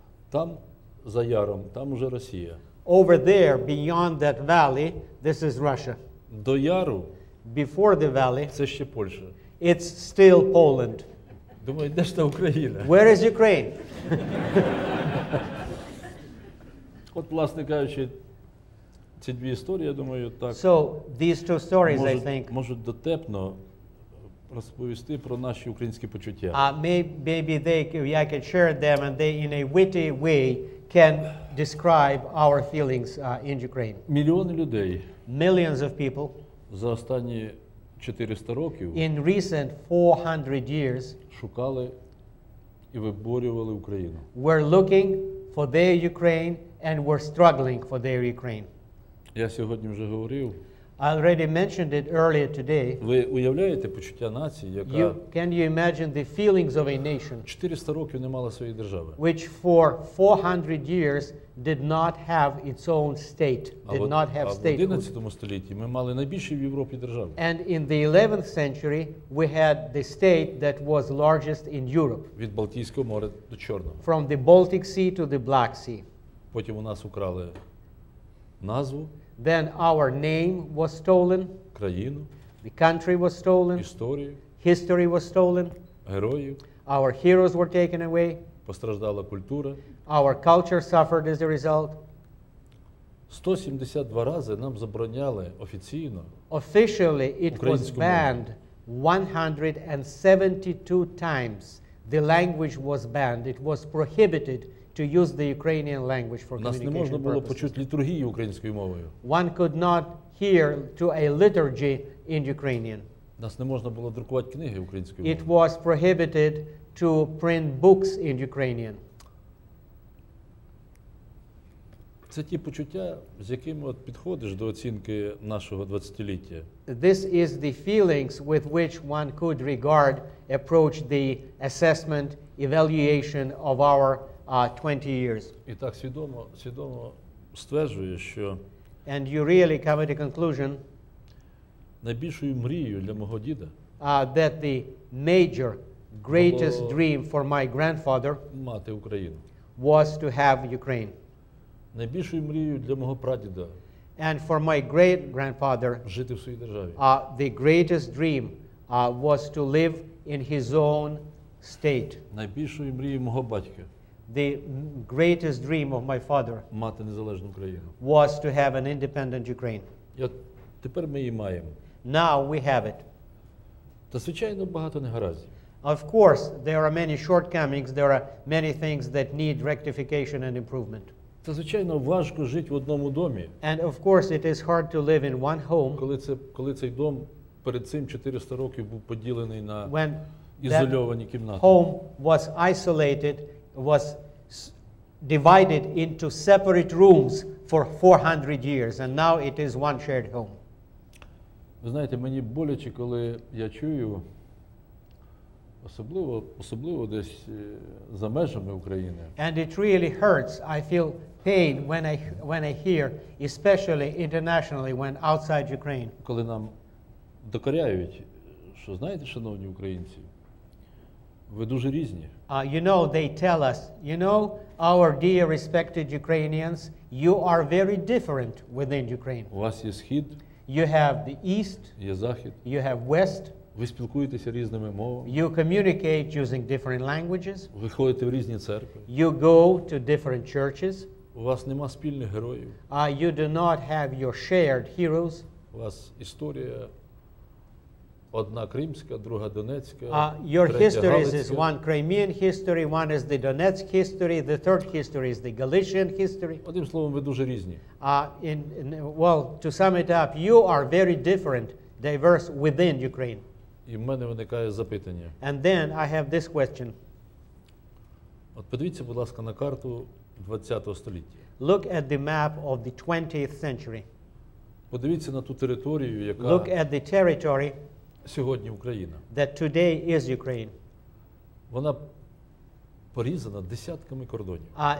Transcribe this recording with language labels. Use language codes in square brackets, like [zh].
[uk] Там за яром, там уже Росія. [en] Over there beyond that valley, this is Russia. [uk] До яру. [en] Before the valley. [uk] Це ще Польща. [en] It's still Poland. [uk] Думаю, де ж та Україна? [en] Where is Ukraine? [uk] От, власне кажучи, ці дві історії, я думаю, так. [en] So, these two stories, [uk] можуть, [en] I think, [uk] можуть дотепно розповісти про наші українські почуття. [en] Maybe they, I can share them and they in a witty way can describe our feelings in Ukraine. [uk] Мільйони людей. [en] Millions of people. [uk] За останні 400 років. [en] In recent 400 years. [uk] Шукали і виборювали Україну. [en] Were looking for their Ukraine and were struggling for their Ukraine. [uk] Я сьогодні вже говорив. [en] I already mentioned it earlier today. [uk] Ви уявляєте почуття нації, яка [en] can you imagine the feelings of a nation? [uk] 400 років не мала своєї держави. [en] Which for 400 years did not have its own state. Did not have state. [uk] А в 11 столітті ми мали найбільші в Європі держави. [en] And in the 11th century we had the state that was largest in Europe. [uk] Від Балтійського моря до Чорного. [en] From the Baltic Sea to the Black Sea. [uk] Потім у нас украли назву. [en] Then our name was stolen. [uk] Країну. [en] The country was stolen. [uk] Історію. [en] History was stolen. [uk] Героїв. [en] Our heroes were taken away. [uk] Постраждала культура. [en] Our culture suffered as a result. [uk] 172 рази нам забороняли офіційно. [en] Officially it was banned 172 times. The language was banned. It was prohibited to use the Ukrainian language for communication. [uk] Нас не можна [en] purposes. [uk] Було почути літургію українською мовою. [en] One could not hear to a liturgy in Ukrainian. [uk] Нас не можна було друкувати книги українською мовою. [en] It was prohibited to print books in Ukrainian. [uk] Це ті почуття, з якими от підходиш до оцінки нашого 20-ліття. [en] This is the feelings with which one could regard approach the assessment evaluation of our 20 years. [uk] І так свідомо стверджує, що [en] and you really come to a conclusion [uk] найбільшою мрією для мого діда [en] that the major greatest dream for my grandfather [uk] мати Україну [en] was to have Ukraine. [uk] Найбільшою мрією для мого прадіда [en] And for my great-grandfather, the greatest dream was to live in his own state. [uk] Найбільшою мрією мого батька. [en] The greatest dream of my father [uk] мати незалежну Україну. [en] Was to have an independent Ukraine. [uk] І от тепер ми її маємо. [en] Now we have it. [uk] Та звичайно багато негараздів. [en] Of course, there are many shortcomings, there are many things that need rectification and improvement. [uk] Та звичайно важко жити в одному домі. [en] And of course, it is hard to live in one home. [uk] Коли цей дом перед цим 400 років був поділений на ізольовані кімнати. [en] When home was isolated, was divided into separate rooms for 400 years, and now it is one shared home. [uk] Ви знаєте, мені боляче, коли я чую, особливо десь за межами України. [en] And it really hurts. I feel pain when I hear, especially internationally, when outside Ukraine. [uk] Коли нам докоряють, що знаєте, шановні українці, ви дуже різні. [en] You know, they tell us, you know, our dear respected Ukrainians, you are very different within Ukraine. [uk] У вас є схід. [en] You have the east. [uk] Є захід. [en] You have west. [uk] Ви спілкуєтеся різними мовами. [en] You communicate using different languages. [uk] Ви ходите в різні церкви. [en] You go to different churches. [uk] У вас нема спільних героїв. [en] You do not have your shared heroes. [uk] У вас історія одна кримська, друга донецька. [en] Your histories is one Crimean history, one is the Donetsk history, the third history is the Galician history. [uk] Одним словом, ви дуже різні. [en] To sum it up, you are very different, diverse within Ukraine. [uk] І в мене виникає запитання. [en] And then I have this question. [uk] От подивіться, будь ласка, на карту 20-го століття. [en] Look at the map of the 20th century. [uk] Подивіться на ту територію, яка [en] Look at the territory [uk] сьогодні Україна. [en] That today is Ukraine. [uk] Вона порізана десятками кордонів.